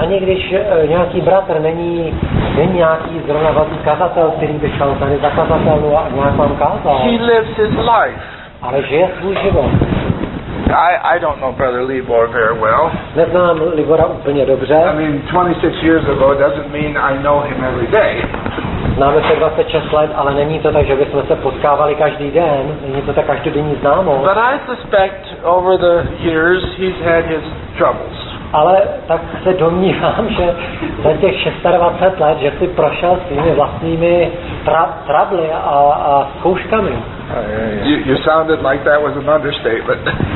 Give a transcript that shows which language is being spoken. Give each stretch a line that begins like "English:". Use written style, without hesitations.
Czech: ani když nějaký bratr není nějaký zrovna velký kazatel, který by šel tady za kazatelu a nějak vám kázal,
English: he lives his life.
Czech: Ale žije svůj život.
English: I don't know Brother Libor very well.
Czech: Neznám Libora úplně dobře.
English: I mean, 26 years ago doesn't mean I know him every day.
Czech: Známe se 26 let, ale není to tak, že bychom se potkávali každý den. Není to tak každodenní známost.
English: But I suspect over the years he's had his troubles.
Czech: Ale tak se domnívám, že za těch 26 let, že si prošel svými vlastními trably a zkouškami.
English: You sounded like that was an understatement.